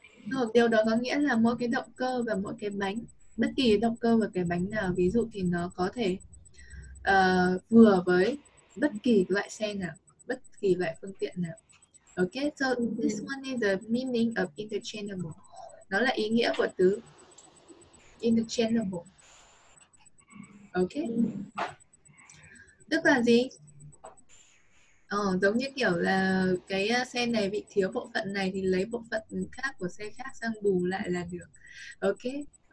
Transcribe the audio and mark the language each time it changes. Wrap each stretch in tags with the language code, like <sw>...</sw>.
<vi>Rồi, điều đó có nghĩa là mỗi cái động cơ và mỗi cái bánh, bất kỳ động cơ và cái bánh nào, ví dụ thì nó có thể vừa với bất kỳ loại xe nào, bất kỳ loại phương tiện nào.</vi> <en>Ok, so this one is the meaning of interchangeable.</en> <vi>Nó là ý nghĩa của từ interchangeable. Ok. Tức là gì? Giống như kiểu là cái xe này bị thiếu bộ phận này thì lấy bộ phận khác của xe khác sang bù lại là được. Ok,</vi>